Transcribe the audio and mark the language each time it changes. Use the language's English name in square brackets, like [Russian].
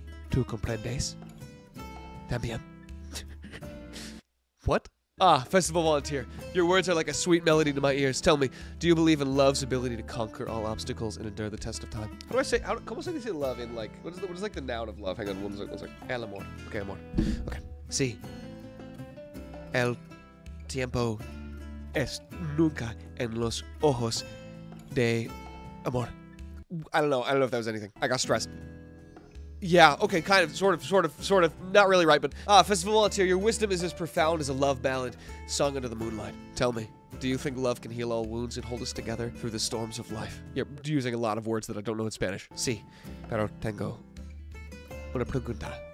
[Spanish] Tú comprendes? También. [English] What? Ah, festival volunteer. Your words are like a sweet melody to my ears. Tell me, do you believe in love's ability to conquer all obstacles and endure the test of time? How do I say, how do I say love in like, what is the noun of love? Hang on, one second. [Spanish] El amor. Okay, amor. Okay. Sí. El tiempo es nunca en los ojos de amor. [English] I don't know if that was anything. I got stressed. Yeah, okay, kind of, sort of, not really right, but... Festival Volunteer, your wisdom is as profound as a love ballad sung under the moonlight. Tell me, do you think love can heal all wounds and hold us together through the storms of life? You're using a lot of words that I don't know in Spanish. [Spanish] Sí, pero tengo una pregunta.